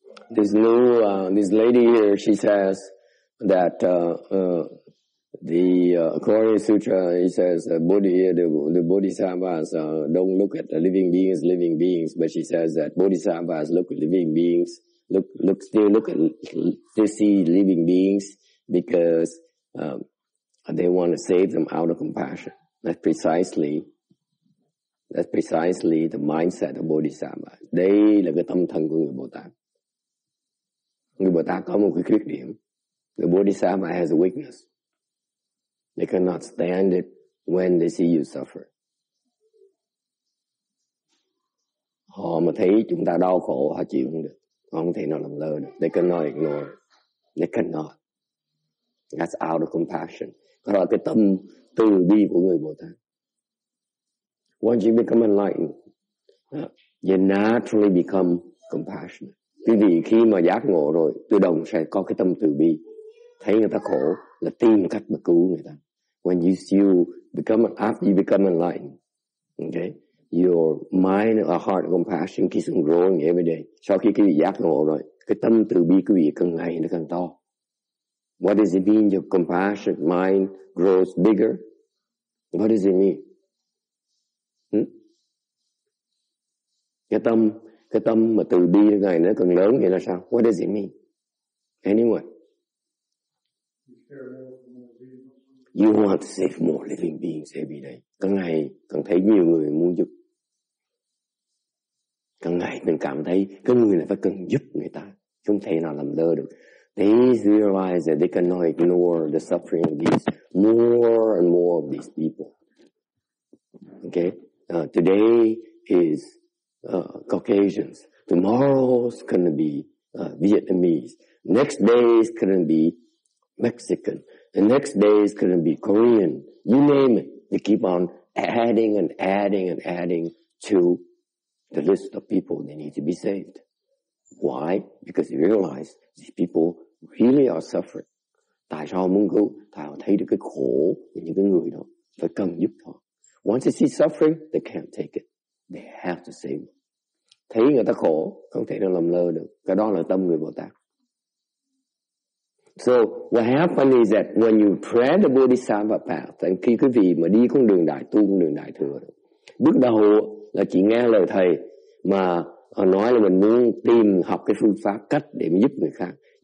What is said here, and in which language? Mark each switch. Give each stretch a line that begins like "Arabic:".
English: This new this lady here, she says that according to the sutra, he says the bodhisattvas don't look at the living beings, living beings. But she says that bodhisattvas look at living beings, they see living beings because they want to save them out of compassion. That's precisely the mindset of bodhisattva.
Vietnamese: Đây là cái tâm thần của người Bồ Tát. Người Bồ Tát có một cái khuyết điểm.
English: The bodhisattva has a weakness. They cannot stand it when they see you suffer.
Vietnamese: Họ mà thấy chúng ta đau khổ, họ chịu không được. Họ không thể nào làm lơ được.
English: They cannot ignore. They cannot. That's out of compassion.
Vietnamese: Đó là cái tâm từ bi của người Bồ Tát.
English: Once you become enlightened, you naturally become compassionate.
Vietnamese: Quý vị khi mà giác ngộ rồi, tự động sẽ có cái tâm từ bi. Thấy người ta khổ là tìm cách mà cứu người ta.
English: When you become, after you become enlightened, okay, your mind or heart compassion keeps on growing every day.
Vietnamese: Sau khi quý vị giác ngộ rồi, cái tâm từ bi quý vị càng ngày nó càng to.
English: What does it mean your compassion mind grows bigger? What does it mean?
Vietnamese: Cái tâm mà từ bi như này nó còn lớn nghĩa là sao?
English: What does it mean? Anyone? You want to save more living beings every day.
Vietnamese: Càng ngày càng thấy nhiều người muốn giúp. Càng ngày mình cảm thấy cái người này phải cần giúp người ta. Không thể nào làm lơ được.
English: They realize that they cannot ignore the suffering of these more and more of these people. Okay? Today is Caucasians. Tomorrow's gonna be Vietnamese. Next day's gonna be Mexican. The next day's gonna be Korean. You name it. They keep on adding and adding and adding to the list of people they need to be saved. Why? Because they realize these people really are suffering.
Vietnamese: Tại sao muốn cứu? Tại họ thấy được cái khổ của những cái người đó. Phải cần giúp họ.
English: Once they see suffering, they can't take it. They have to save it.
Vietnamese: Thấy người ta khổ, không thể nào làm lơ được. Cái đó là tâm người Bồ Tát.
English: So, what happened is that when you tread the Bodhisattva path, and
Vietnamese: khi quý vị mà đi con đường đại tu, con đường đại thừa, bước đầu là chỉ nghe lời thầy mà nói là mình muốn tìm học cái phương pháp cách để mình giúp người khác.